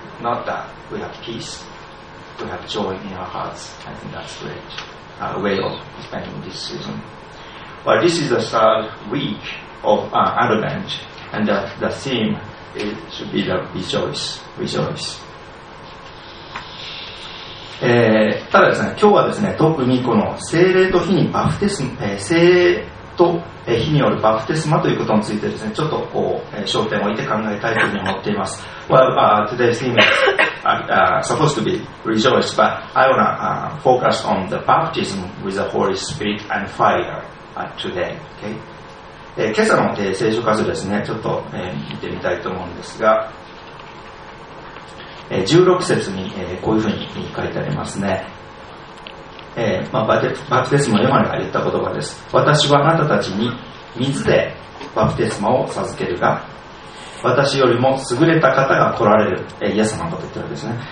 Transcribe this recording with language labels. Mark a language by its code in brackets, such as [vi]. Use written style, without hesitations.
[en] Not that. We have peace. We have joy in our hearts. I think that's great. A way of spending this season. But this is the third week. Of Advent, and the theme it should be the rejoice. [ja] ただですね、今日はですね、特にこの聖霊と火にバプテスマ、聖霊と火によるバプテスマということについてですね、ちょっとこう、焦点を置いて考えたいというふうに思っています。 [en] Well, today's theme is supposed to be rejoice, but I wanna focus on the baptism with the Holy Spirit and fire today. Okay. [ja] 今朝の聖書箇所ですね、ちょっと、見てみたいと思うんですが、16節に、こういうふうに書いてありますね。バプテスマのヨハネが言った言葉です。私はあなたたちに水でバプテスマを授けるが、私よりも優れた方が来られる、イエス様のことを言ってるんですね。